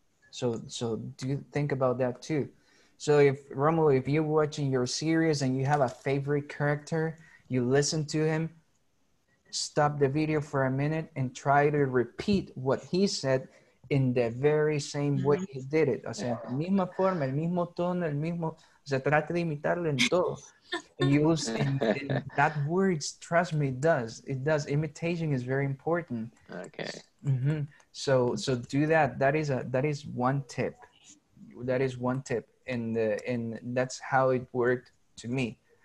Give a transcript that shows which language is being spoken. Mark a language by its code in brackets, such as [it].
[en] So do think about that too. So if Romulo, if you're watching your series and you have a favorite character, you listen to him, stop the video for a minute and try to repeat what he said in the very same way he did it. [es] O sea, misma forma, el mismo tono, el mismo, o sea, trate de imitarlo en todo. [en] And you will see, that words, trust me, it does. Imitation is very important. Okay. Mm-hmm. So do that. That is one tip. And that's how it worked to me.